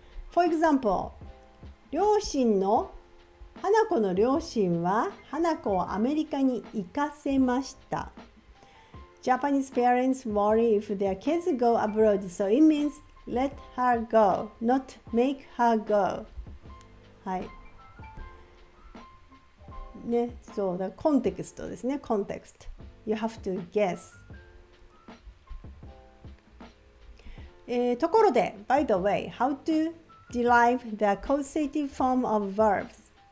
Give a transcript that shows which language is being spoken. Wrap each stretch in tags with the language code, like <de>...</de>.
<en>For example,</en> <ja>両親の、花子の両親は花子をアメリカに行かせました。</ja> <en>Japanese parents worry if their kids go abroad, so it means let her go, not make her go.</en> <ja>はい。ね、そう、コンテクストですね、コンテクスト。</ja> <en>You have to guess、</en> <ja>ところで、</ja> <en>by the way, how to derive the causative form of verbs?</en>